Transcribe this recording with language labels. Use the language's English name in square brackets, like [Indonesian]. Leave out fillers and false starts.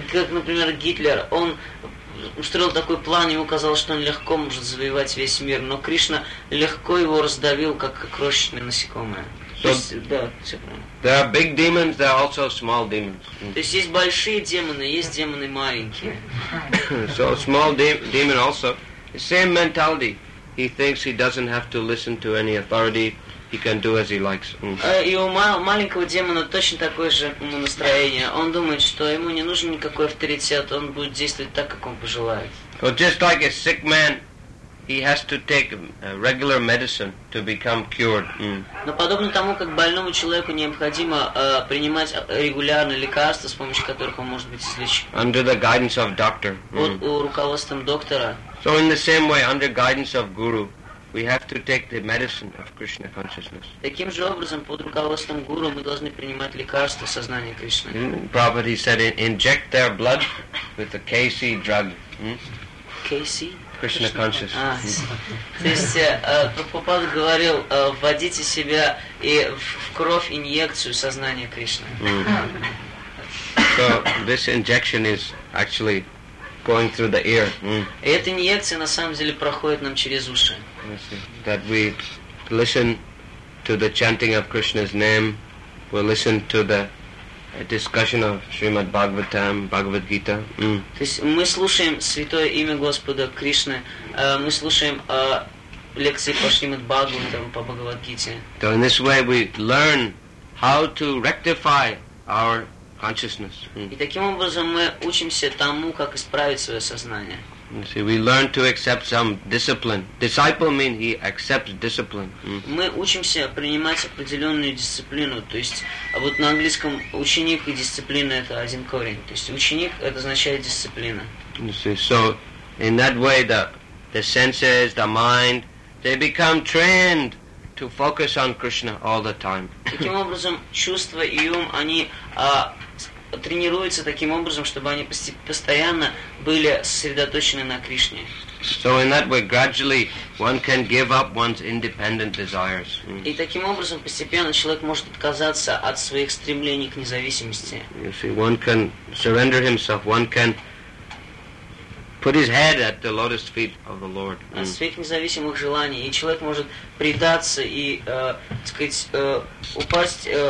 [Russian] Например, Гитлер, он устроил такой план, ему казалось, что он легко может завоевать весь мир, но Кришна легко его раздавил, как крошечное насекомое. [English] There are big demons, there are also small demons. [Russian] То есть есть большие демоны, есть демоны маленькие. [English] So small demon also, same mentality. He thinks he doesn't have to listen to any authority. He can do as he likes. [Russian] И у маленького демона точно такое же настроение. Он думает, что ему не нужен никакой авторитет, он будет действовать так, как он пожелает. [English] So just like a sick man, he has to take regular medicine to become cured. [Russian] Но подобно тому, как больному человеку необходимо принимать регулярные лекарства, с помощью которых он может быть излечен. [English] Under the guidance of doctor. [Russian] Под руководством доктора. [English] So in the same way, under guidance of guru, we have to take the medicine of Krishna consciousness. [Russian] Таким же образом, под руководством гуру мы должны принимать лекарства сознания Кришны. [English] Prabhupada said, inject their blood with the KC drug. KC? Krishna consciousness. [Russian] То есть Прабхупада говорил, вводите себя и в кровь инъекцию сознания Кришны. [English] So this injection is actually going through the ear. [Russian] И эта инъекция на самом деле проходит нам через уши. [English] That we listen to the chanting of Krishna's name, we listen to the discussion of Srimad Bhagavatam, Bhagavad Gita. Mm. [Russian] То есть мы слушаем святое имя Господа Кришны, мы слушаем лекции по Шримад Бхагаватам, по Бхагавад Гите. [English] So in this way we learn how to rectify our consciousness. [Russian] И таким образом мы учимся тому, как исправить свое сознание. [English] See, we learn to accept some discipline. Disciple means he accepts discipline. [Russian] Мы учимся принимать определенную дисциплину. То есть, вот на английском ученик и дисциплина это один корень. То есть, ученик это означает дисциплина. [English] So, in that way, the senses, the mind, they become trained to focus on Krishna all the time. [Russian] Таким образом, чувства и ум они тренируются таким образом, чтобы они постоянно были сосредоточены на Кришне. [English] So in that way, gradually one can give up one's independent desires. [Russian] И таким образом постепенно человек может отказаться от своих стремлений к независимости. [English] You see, one can surrender himself. One can put his head at the lotus feet of the Lord. [Russian] От своих независимых желаний и человек может предаться и, так сказать, упасть.